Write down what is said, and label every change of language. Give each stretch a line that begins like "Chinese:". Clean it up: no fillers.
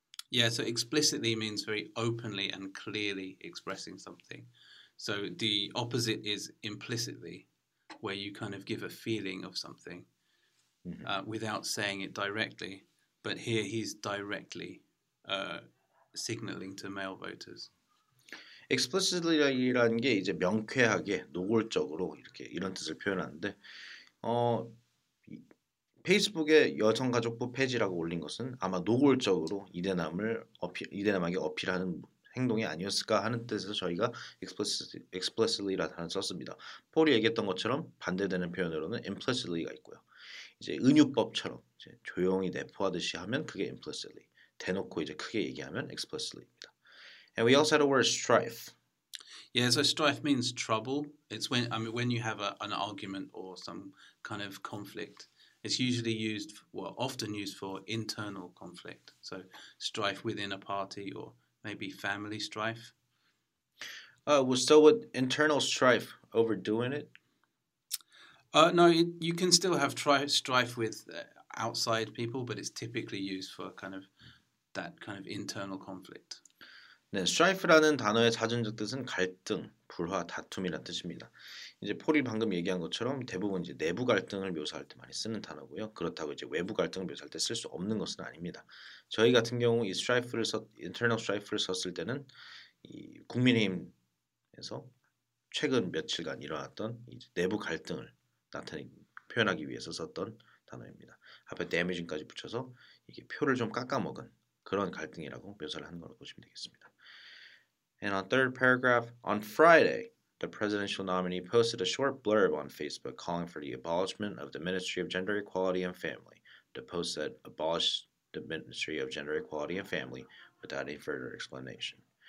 English: Yeah, so explicitly means very openly and clearly expressing something. So the opposite is implicitly, where you kind of give a feeling of something without saying it directly. But here he's directly signaling to male voters.
Korean: Explicitly라는 게 이제 명쾌하게, 노골적으로 이렇게 이런 뜻을 표현하는데, 페이스북에 여성가족부 폐지라고 올린 것은 아마 노골적으로 이대남에게 어필하는 행동이 아니었을까 하는 뜻에서 저희가 explicitly라는 썼습니다. 폴이 얘기했던 것처럼 반대되는 표현으로는 implicitly가 있고요. 이제 은유법처럼 이제 조용히 내포하듯이 하면 그게 implicitly, 대놓고 이제 크게 얘기하면 explicitly입니다.
English: And we also had a word strife. Yeah, so strife means trouble. It's when, I mean, when you have an argument or some kind of conflict. It's usually used, well, often used for internal conflict. So strife within a party or maybe family strife. So with internal strife, overdoing it? No, you can still have strife with outside people, but it's typically used for kind of that kind of internal conflict.
Korean: 네, strife라는 단어의 사전적 뜻은 갈등, 불화, 다툼이라는 뜻입니다. 이제 폴이 방금 얘기한 것처럼 대부분 이제 내부 갈등을 묘사할 때 많이 쓰는 단어고요. 그렇다고 이제 외부 갈등을 묘사할 때 쓸 수 없는 것은 아닙니다. 저희 같은 경우 이 internal strife를 썼을 때는 이 국민의힘에서 최근 며칠간 일어났던 이제 내부 갈등을 표현하기 위해서 썼던 단어입니다. 앞에 damaging까지 붙여서 이게 표를 좀 깎아먹은 그런 갈등이라고 묘사를 하는 걸로 보시면 되겠습니다.
English: And on third paragraph, on Friday, the presidential nominee posted a short blurb on Facebook calling for the abolishment of the Ministry of Gender Equality and Family. The post said, abolish the Ministry of Gender Equality and Family without any further explanation.